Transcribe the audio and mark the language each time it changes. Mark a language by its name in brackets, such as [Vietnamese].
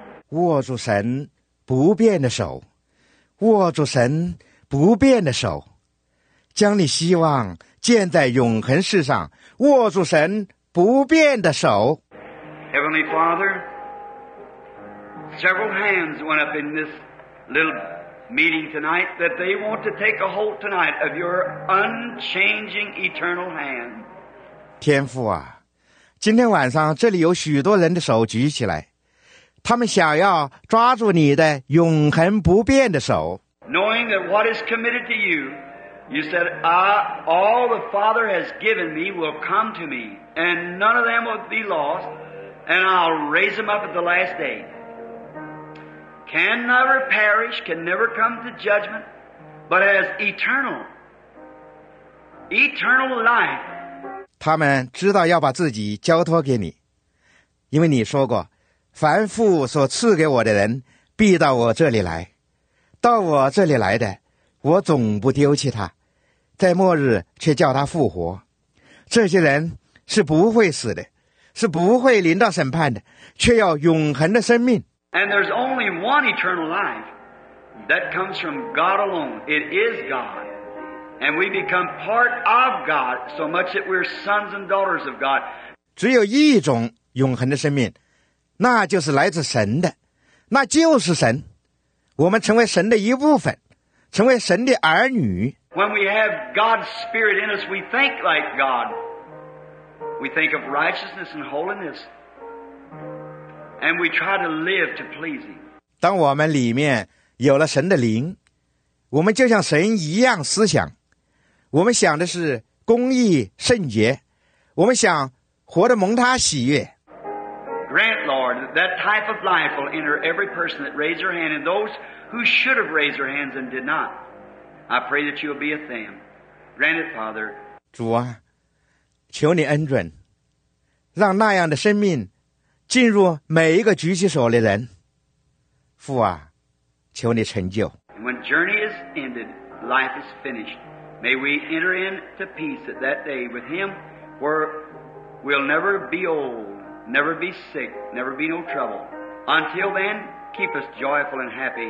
[Chinese] 握住神不变的手，握住神不变的手，将你希望建在永恒世上。握住神不变的手。 [English] Heavenly Father, several hands went up in this little meeting tonight that they want to take a hold tonight of your unchanging eternal hand. [Chinese] 天父啊，今天晚上这里有许多人的手举起来。他们想要抓住你的永恒不变的手。 [English] Knowing that what is committed to you, you said, I, all the Father has given me will come to me, and none of them will be lost, and I'll raise them up at the last day. Can never perish, can never come to judgment, but has eternal life. [Chinese] 他们知道要把自己交托给你，因为你说过凡父所赐给我的人必到我这里来，到我这里来的我总不丢弃他，在末日却叫他复活。这些人是不会死的，是不会临到审判的，却要永恒的生命。 [English] And there's only one eternal life that comes from God alone. It is God. And we become part of God so much that we're sons and daughters of God. [Chinese] 只有一种永恒的生命，那就是来自神的，那就是神。我们成为神的一部分，成为神的儿女。 [English] When we have God's Spirit in us, we think like God. We think of righteousness and holiness. And we try to live to please Him. [Chinese] 当我们里面有了神的灵，我们就像神一样思想。我们想的是公义圣洁，我们想活得蒙他喜悦。 [English] Grant, Lord, that type of life will enter every person that raised your hand, and those who should have raised their hands and did not. I pray that you'll be with them. Grant it, Father. [Chinese] 主啊，求你恩准，让那样的生命进入每一个举起手的人。父啊，求你成就。 [English] And when journey is ended, life is finished. May we enter into peace at that day with Him, where we'll never be old, never be sick, never be no trouble. Until then, keep us joyful and happy,